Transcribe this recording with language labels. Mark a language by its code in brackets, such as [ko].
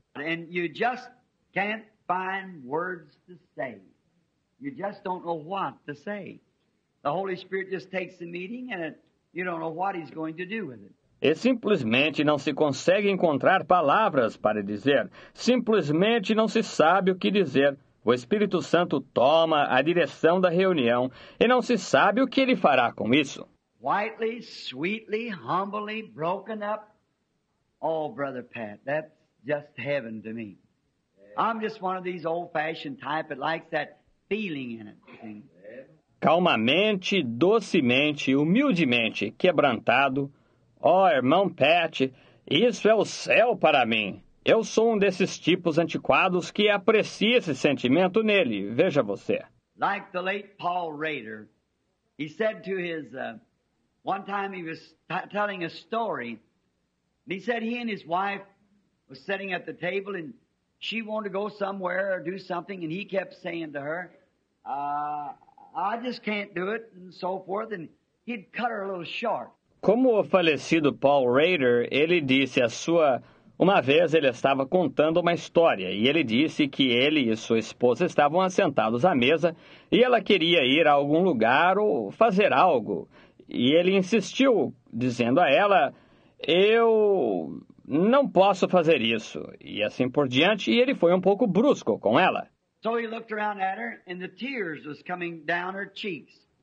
[en] And you just can't find words to say. You just don't know what to say. The Holy Spirit just takes the meeting and you don't know what he's going to do with it. [pt] E simplesmente não se consegue encontrar palavras para dizer. Simplesmente não se sabe o que dizer. O Espírito Santo toma a direção da reunião e não se sabe o que ele fará com isso. [en] Quietly, sweetly, humbly, broken up. Oh, Brother Pat, that's just heaven to me. I'm just one of these old-fashioned type that likes that feeling in it. [pt] Calmamente, docemente, humildemente, quebrantado. Oh, irmão Pat, isso é o céu para mim. Eu sou um desses tipos antiquados que aprecia esse sentimento nele. Veja você. [en] Like the late Paul Rader, he said to his... One time he was telling a story. And he said he and his wife was sitting at the table and she wanted to go somewhere or do something. And he kept saying to her, "I just can't do it," and so forth. And he'd cut her a little short. [pt] Como o falecido Paul Rader, ele disse a sua... Uma vez ele estava contando uma história e ele disse que ele e sua esposa estavam assentados à mesa e ela queria ir a algum lugar ou fazer algo. E ele insistiu, dizendo a ela, "Eu não posso fazer isso." E assim por diante, e ele foi um pouco brusco com ela. [en] So he looked around at her and the tears was coming down her cheeks.